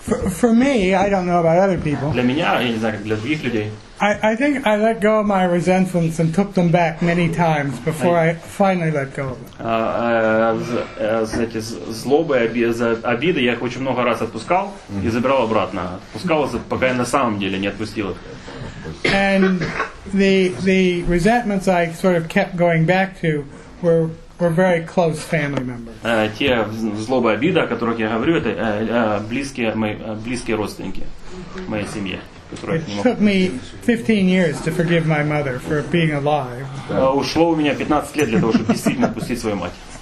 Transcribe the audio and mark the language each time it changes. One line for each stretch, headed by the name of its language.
English: For me, I don't know about other people.
Russian: Для меня, я не знаю, для других людей.
English: I think I let go of my resentments and took them back many times before I finally let go of them.
Russian: Знаете, злобы, обиды я их очень много раз отпускал и забирал обратно. Отпускал, пока я на самом деле не отпустил их.
English: And the resentments I sort of kept going back to were very close family members.
Russian: Те злобы, обиды, о которых я говорю, это близкие родственники моей семьи.
English: It took me 15 years to forgive my mother for being alive.
Russian: Ушло у меня 15 лет для того, чтобы действительно отпустить свою мать.